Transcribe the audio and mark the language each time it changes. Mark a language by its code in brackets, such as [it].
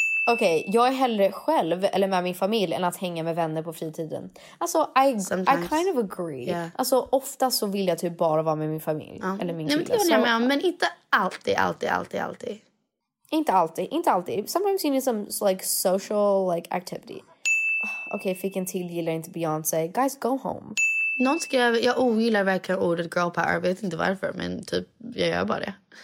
[sv] Okej, okay, jag är hellre själv eller med min familj än att hänga med vänner på fritiden. Alltså, [en] I kind of agree. Yeah. [sv] Alltså, ofta så vill jag typ bara vara med min familj. Uh-huh. Eller min kille. Nej, men det vill jag med, men inte alltid, alltid, alltid, alltid. Inte alltid, inte alltid. [en] Sometimes you need some like, social like, activity. [sv] Okej, okay, fick en till, gillar inte Beyoncé. [en] Guys, go home. [sv] Någon skrev, jag ogillar verkligen ordet girl power. Jag vet inte varför, men typ, jag gör bara det.